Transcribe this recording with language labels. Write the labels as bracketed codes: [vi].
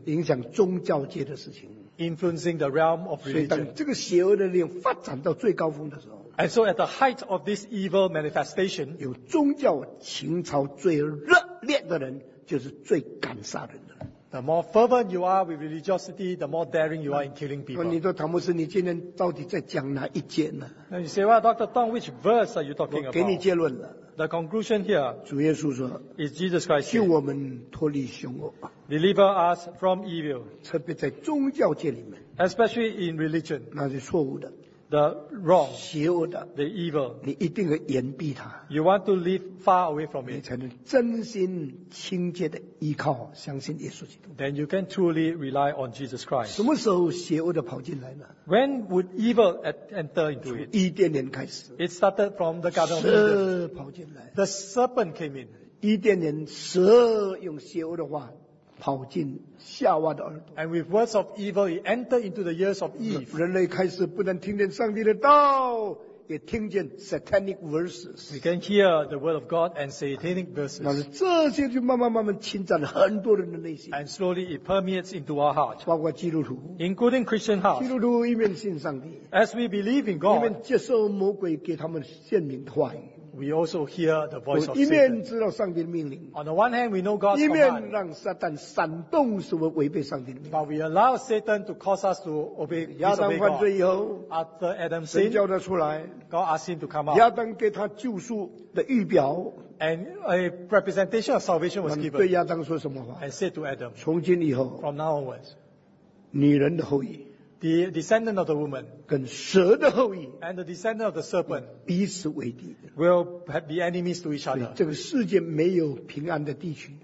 [zh] 影响宗教界的事情。 [en] Influencing the realm of religion. [zh] 所以当这个邪恶的力量发展到最高峰的时候。 [en] And so at the height of this evil manifestation, [zh] 有宗教情操最热烈的人就是最敢杀人的。 [en] The more fervent you are with religiosity, the more daring you are in killing people. [zh] 你说唐牧师，你今天到底在讲哪一节呢 [en] ？Now you say, well, Dr. Tong, which verse are you talking about? [zh] 我给你结论了。 [en] The conclusion here, [zh] 主耶稣说 [en] ，is Jesus Christ [zh] 救我们脱离凶恶 [en] ，deliver us from evil. [zh] 特别在宗教界里面 [en] ，especially in religion. [zh] 那是错误的。 [en] The wrong, [zh] 邪恶的 [en] the evil, [zh] 你一定要掩蔽它 [en] you want to live far away from it, [zh] 你才能真心亲切的依靠相信耶稣基督 [en] then you can truly rely on Jesus Christ [zh] 什么时候邪恶的跑进来呢 [en] when would evil enter into it [zh] 伊甸园开始 [en] it started from the garden of Eden [zh] 蛇跑进来 [en] the serpent came in [zh] 伊甸人蛇用邪恶的话跑进夏娃的耳朵。 [en] And with words of evil, it entered into the ears of Eve. [zh] 人类开始不能听见上帝的道，也听见 [en] satanic verses. We can hear the word of God and satanic verses. [zh] 那这些就慢慢慢慢侵占了很多人的内心。 [en] And slowly it permeates into our heart. [zh] 包括基督徒。 [en] Including Christian hearts. [zh] 基督徒一面信上帝。 [en] As we believe in God. [zh] 一面接受魔鬼给他们显明的话语。 [en] We also hear the voice of Satan. [zh] 一面知道上帝的命令。 [en] On the one hand, we know God's command. [zh] 一面让撒旦煽动什么违背上帝的命令。 [en] But we allow Satan to cause us to obey God. [zh] 亚当犯罪以后， [en] after Adam sinned, [zh] 神叫他出来。 [en] God asked him to come out. [zh] 亚当给他救赎的预表。 [en] And a representation of salvation was given. [zh] 对亚当说什么话？ [en] And said to Adam. [zh] 从今以后， [en] from now onwards. [zh] 女人的后裔。 [en] The descendant of the woman [zh] 跟蛇的后裔 [en] and the descendant of the serpent [zh] 彼此为敌 [en] will be enemies to each other. [zh] 这个世界没有平安的地区